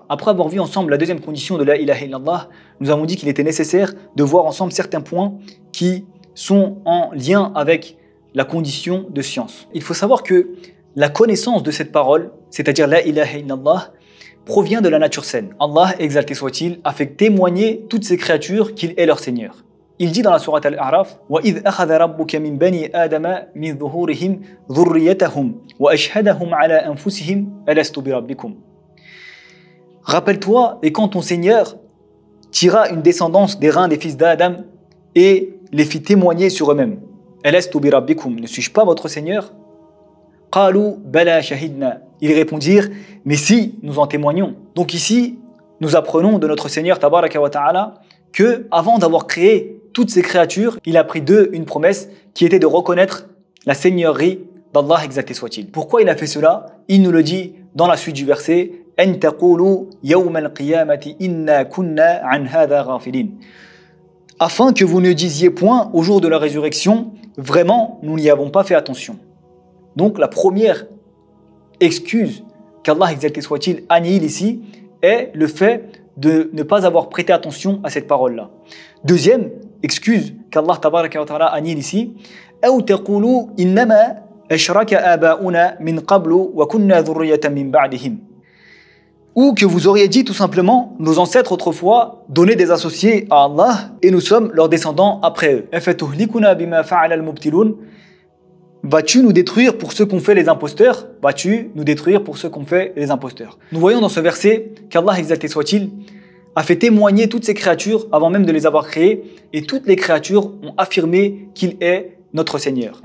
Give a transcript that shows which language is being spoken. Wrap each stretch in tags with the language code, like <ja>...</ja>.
<fr>Après avoir vu ensemble la deuxième condition de la ilaha illallah, nous avons dit qu'il était nécessaire de voir ensemble certains points qui sont en lien avec la condition de science. Il faut savoir que la connaissance de cette parole, c'est-à-dire la ilaha illallah, provient de la nature saine. Allah, exalté soit-il, a fait témoigner toutes ses créatures qu'il est leur Seigneur. Il dit dans la sourate Al-A'raf</fr> <ar>وَإِذْ أَخَذَ رَبُّكَ مِنْ بَنِي آدَمَ مِنْ ظُهُورِهِمْ ذُرِّيَّتَهُمْ وَأَشْهَدَهُمْ عَلَىٰ أَنفُسِهِمْ أَلَسْتُ بِرَبِّكُمْ.</ar> <fr>Rappelle-toi, et quand ton Seigneur tira une descendance des reins des fils d'Adam et les fit témoigner sur eux-mêmes.</fr> <ar>أَلَسْتُ بِرَبِّكُمْ.</ar> <fr>Ne suis-je pas votre Seigneur ?</fr> <ar>قَالُوا بَلَا شَهِدْنَا.</ar> <fr>Ils répondirent, mais si, nous en témoignons. Donc ici, nous apprenons de notre Seigneur Tabaraka wa Ta'ala que avant d'avoir créé toutes ces créatures, il a pris d'eux une promesse qui était de reconnaître la seigneurie d'Allah exalté soit-il. Pourquoi il a fait cela? Il nous le dit dans la suite du verset</fr> <ar>أَنْ تَقُولُوا يَوْمَ الْقِيَامَةِ إِنَّا كُنَّا عَنْ هَذَا غَافِلِينَ.</ar> <fr>Afin que vous ne disiez point au jour de la résurrection, vraiment, nous n'y avons pas fait attention. Donc la première excuse qu'Allah exalté soit-il annihile ici est le fait de ne pas avoir prêté attention à cette parole-là. Deuxième excuse qu'Allah tabaraka wa ta'ala annihile ici,</fr> <ar>أَوْ تَقُولُوا إِنَّمَا أَشْرَكَ آبَاؤُنَا مِنْ قَبْلُ وَكُنَّا ذُرِّيَّةً مِنْ بَعْدِهِمْ.</ar> <fr>Ou que vous auriez dit tout simplement, nos ancêtres autrefois donnaient des associés à Allah et nous sommes leurs descendants après eux.</fr> <ar>أَفَتُهْلِكُنَا بِمَا فَعَلَ الْمُبْتِلُونَ.</ar> <fr>Vas-tu nous détruire pour ceux qu'on fait les imposteurs? Vas-tu nous détruire pour ceux qu'on fait les imposteurs? Nous voyons dans ce verset qu'Allah exalté soit-il a fait témoigner toutes ses créatures avant même de les avoir créées et toutes les créatures ont affirmé qu'il est notre Seigneur.</fr>